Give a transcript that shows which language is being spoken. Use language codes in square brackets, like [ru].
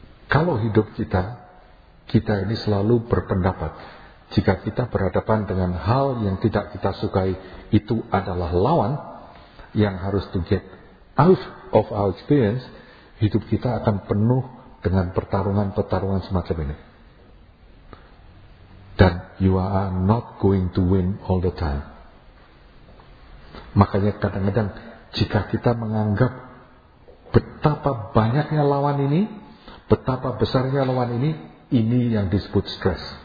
[id] Kalau hidup kita, kita ini selalu berpendapat, jika kita berhadapan dengan hal yang tidak kita sukai, itu adalah lawan yang harus [en] to get out of our experience, [id] hidup kita akan penuh dengan pertarungan-pertarungan semacam ini. Dan [en] you are not going to win all the time. [id] Makanya kadang-kadang jika kita menganggap betapa banyaknya lawan ini, betapa besarnya lawan ini yang disebut stress.